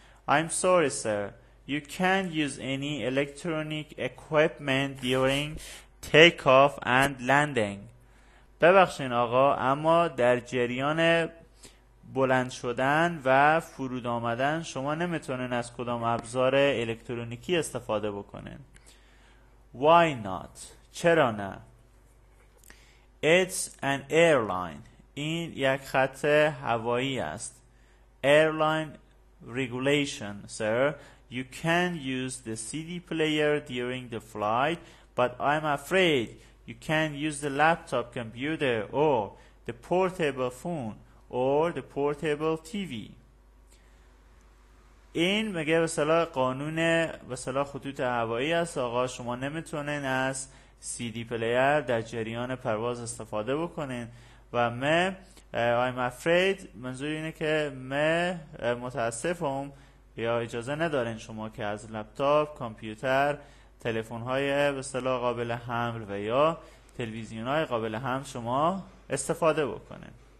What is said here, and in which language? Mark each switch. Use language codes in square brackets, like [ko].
[en] I'm sorry sir، you can't use any electronic equipment during takeoff and landing. [fa] ببخشید آقا، اما در جریان بلند شدن و فرود آمدن شما نمیتونین از کدام ابزار الکترونیکی استفاده بکنین. [en] Why not؟ [fa] چرا نه؟ [en] It's an airline، [fa] این یک خط هوایی است. [en] Airline regulation sir، you can use the CD player during the flight but I'm afraid you can't use the laptop computer or the portable phone or the portable TV. [fa] این مگه مثلا قانون مثلا خطوط هوایی است، آقا شما نمیتونین از سی دی پلیر در جریان پرواز استفاده بکنین. و من [en] I'm afraid [fa] منظور اینه که من متاسفم یا اجازه ندارین شما که از لپتاپ، کامپیوتر، تلفن های به اصطلاح قابل حمل و یا تلویزیون های قابل حمل شما استفاده بکنین.